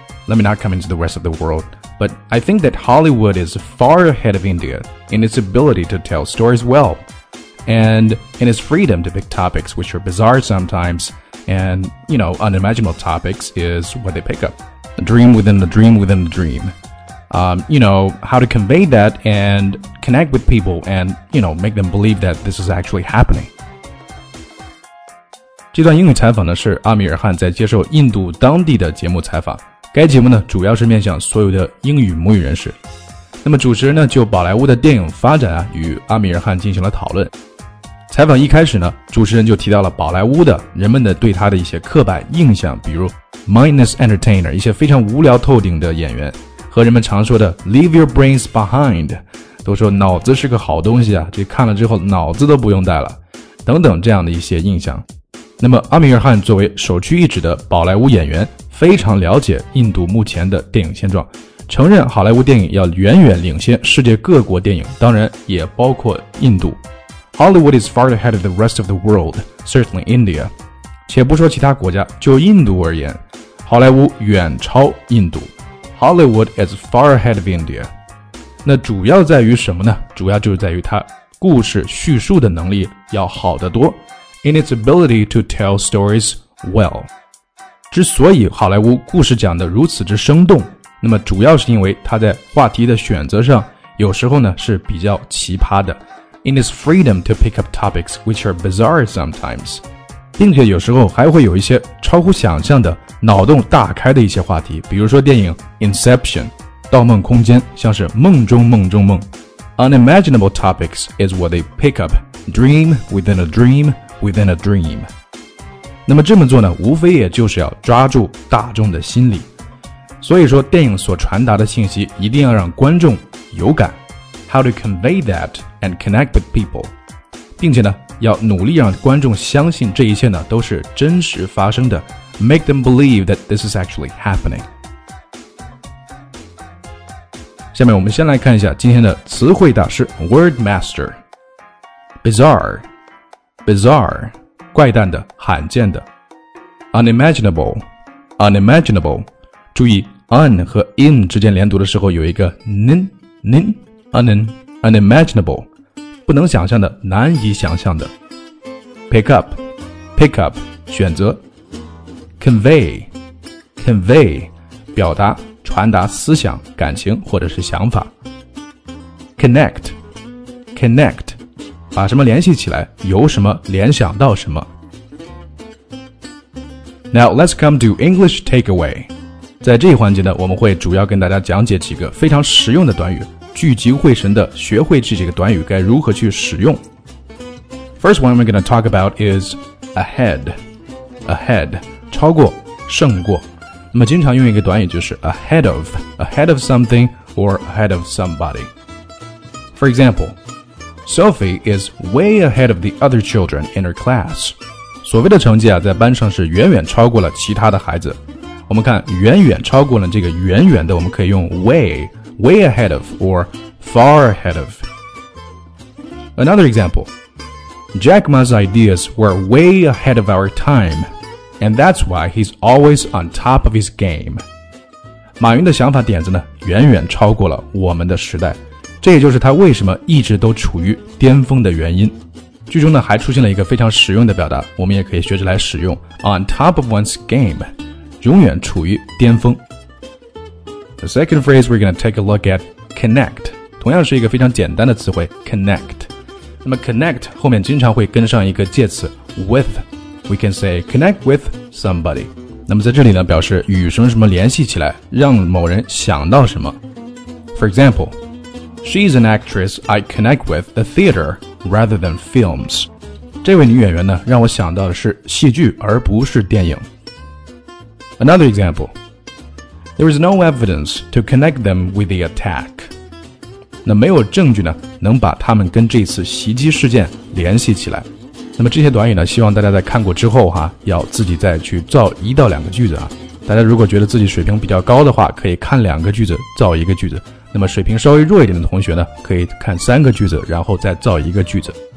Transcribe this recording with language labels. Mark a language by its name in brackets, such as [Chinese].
[English] Let me not come into the rest of the world, but I think that Hollywood is far ahead of India in its ability to tell stories well, and in its freedom to pick topics which are bizarre sometimes, and, you know, unimaginable topics is what they pick up. A dream within a dream within a dream. You know, how to convey that and connect with people and, you know, make them believe that this is actually happening. [Chinese] 这段英语采访呢是阿米尔汗在接受印度当地的节目采访，该节目呢主要是面向所有的英语母语人士。那么主持人呢就宝莱坞的电影发展啊与阿米尔汗进行了讨论。采访一开始呢，主持人就提到了宝莱坞的人们的对他的一些刻板印象，比如 [English] mindless entertainer [Chinese] 一些非常无聊透顶的演员，和人们常说的 [English] leave your brains behind [Chinese] 都说脑子是个好东西啊，这看了之后脑子都不用带了等等这样的一些印象。那么阿米尔汗作为首屈一指的宝莱坞演员，非常了解印度目前的电影现状，承认好莱坞电影要远远领先世界各国电影，当然也包括印度。 [English] Hollywood is far ahead of the rest of the world, certainly India. [Chinese] 且不说其他国家，就印度而言，好莱坞远超印度。 [English] Hollywood is far ahead of India. [Chinese] 那主要在于什么呢？主要就是在于它故事叙述的能力要好得多。 [English] In its ability to tell stories well. [Chinese] 之所以好莱坞故事讲得如此之生动，那么主要是因为它在话题的选择上有时候呢是比较奇葩的。 [English] In its freedom to pick up topics which are bizarre sometimes. [Chinese] 并且有时候还会有一些超乎想象的脑洞大开的一些话题，比如说电影 Inception, 盗梦空间，像是梦中梦中梦。 [English] Unimaginable topics is what they pick up. Dream within a dream,Within a dream. [Chinese] 那么这么做呢，无非也就是要抓住大众的心理。所以说电影所传达的信息一定要让观众有感。 [English] How to convey that and connect with people. [Chinese] 并且呢要努力让观众相信这一切呢都是真实发生的。 [English] Make them believe that this is actually happening. [Chinese] 下面我们先来看一下今天的词汇大师 [English] Word Master. [Chinese] Bizarre. Bizarre, 怪诞的，罕见的。Unimaginable, unimaginable, 注意 un 和 in 之间连读的时候有一个 unimaginable, 不能想象的，难以想象的。 Pick up, pick up, 选择。Convey, convey, 表达，传达思想、感情或者是想法。 Connect, connect,把什么联系起来，由什么联想到什么。 [English] Now let's come to English takeaway. [Chinese] 在这一环节呢，我们会主要跟大家讲解几个非常实用的短语，聚精会神的学会这几个短语该如何去使用。 [English] First one we're going to talk about is ahead. [Chinese] Ahead, 超过，胜过。那么经常用一个短语就是 [English] ahead of something or ahead of somebody. For example, Sophie is way ahead of the other children in her class. [Chinese] 所谓的成绩啊，在班上是远远超过了其他的孩子。我们看远远超过了这个远远的，我们可以用 [English] way ahead of or far ahead of. Another example,Jack Ma's ideas were way ahead of our time, and that's why he's always on top of his game. [Chinese] 马云的想法点子呢，远远超过了我们的时代，这也就是他为什么一直都处于巅峰的原因。剧中呢，还出现了一个非常实用的表达，我们也可以学着来使用 [English] on top of one's game, [Chinese] 永远处于巅峰。 [English] The second phrase we're going to take a look at, connect, 同样是一个非常简单的词汇 connect. [Chinese] 那么 connect 后面经常会跟上一个介词 with, [English] we can say connect with somebody. [Chinese] 那么在这里呢，表示与什么什么联系起来，让某人想到什么。 [English] For example, she's an actress I connect with the theater rather than films. [Chinese] 这位女演员呢，让我想到的是戏剧而不是电影。 [English] Another example, there is no evidence to connect them with the attack. [Chinese] 那没有证据呢，能把他们跟这次袭击事件联系起来。那么这些短语呢，希望大家在看过之后哈，要自己再去造一到两个句子啊。大家如果觉得自己水平比较高的话，可以看两个句子造一个句子。那么水平稍微弱一点的同学呢，可以看三个句子，然后再造一个句子。